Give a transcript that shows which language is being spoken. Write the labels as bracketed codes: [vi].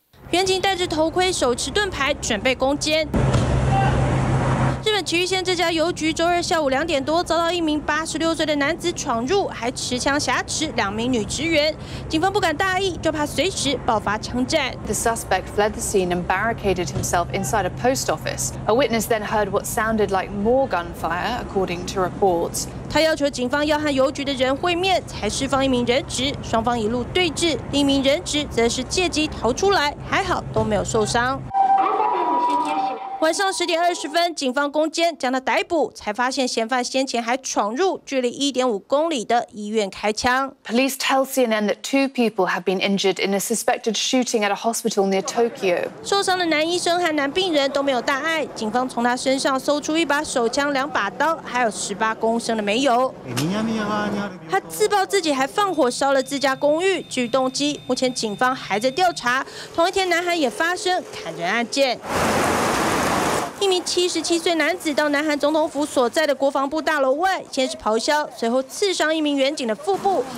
[zh] 原警戴着头盔，手持盾牌，准备攻坚。日本崎玉县这家邮局周二下午2点多遭到一名86岁的男子闯入，还持枪挟持两名女职员。警方不敢大意，就怕随时爆发枪战。 [en] The suspect fled the scene and barricaded himself inside a post office. A witness then heard what sounded like more gunfire, according to reports. [zh] 他要求警方要和邮局的人会面，才释放一名人质。双方一路对峙，另一名人质则是借机逃出来，还好都没有受伤。晚上10点20分，警方攻坚将他逮捕，才发现嫌犯先前还闯入距离1.5公里的医院开枪。 [en] Police tell CNN that two people have been injured in a suspected shooting at a hospital near Tokyo. [zh] 受伤的男医生和男病人都没有大碍，警方从他身上搜出一把手枪、两把刀，还有18公升的煤油。他自曝自己还放火烧了自家公寓，据动机，目前警方还在调查。同一天，南韩也发生砍人案件。一名77岁男子到南韩总统府所在的国防部大楼外，先是咆哮，随后刺伤一名原警的腹部。